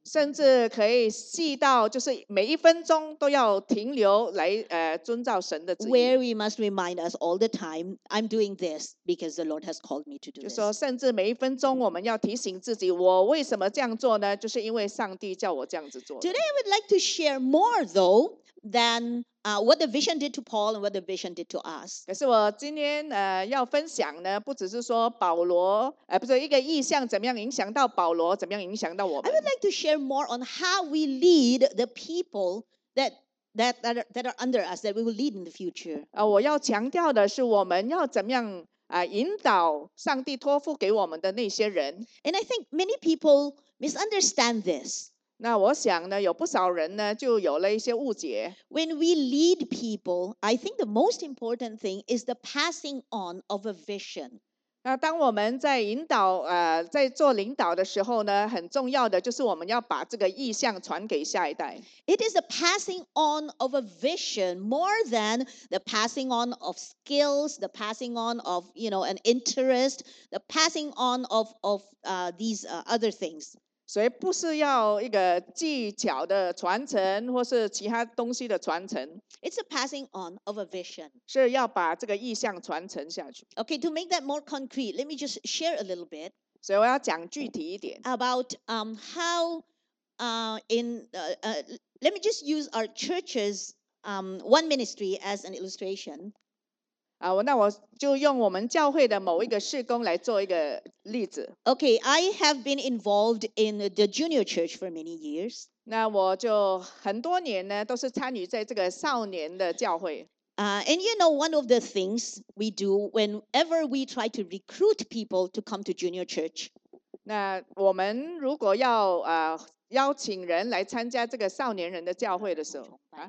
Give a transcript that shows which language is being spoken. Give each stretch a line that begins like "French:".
Chinese: 甚至可以细到就是每一分钟都要停留来遵照神的旨意。
English: Where we must remind us all the time, I'm doing this because the Lord has called me to do this.
Chinese: 就说甚至每一分钟我们要提醒自己，我为什么这样做呢？就是因为上帝叫我这样子做。
English: Today, I would like to share more though. Than what the vision did to Paul and what the vision did to us.
Chinese: 可是我今天要分享呢，不只是说保罗，不是一个意象怎么样影响到保罗，怎么样影响到我们。
English: I would like to share more on how we lead the people that are under us that we will lead in the future.
Chinese: 我要强调的是我们要怎么样引导上帝托付给我们的那些人。
English: And I think many people misunderstand this.
Chinese: 那我想呢，有不少人呢，就有了一些误解。
English: When we lead people, I think the most important thing is the passing on of a vision.
Chinese: 那当我们在引导，在做领导的时候呢，很重要的就是我们要把这个意向传给下一代。
English: It is the passing on of a vision more than the passing on of skills, the passing on of, you know, an interest, the passing on of these other things.
Chinese: 所以不是要一个技巧的传承或是其他东西的传承。
English: It's a passing on of a vision.
Chinese: 是要把这个意象传承下去。
English: Okay, to make that more concrete, let me just share a little bit.
Chinese: 所以我要讲具体一点。
English: About how let me just use our church's one ministry as an illustration.
Chinese: 那我就用我们教会的某一个事工来做一个例子。
English: Okay, I have been involved in the junior church for many years.
Chinese: 那我就很多年呢，都是参与在这个少年的教会。
English: And you know, one of the things we do whenever we try to recruit people to come to junior church.
Chinese: 那我们如果要邀请人来参加这个少年人的教会的时候，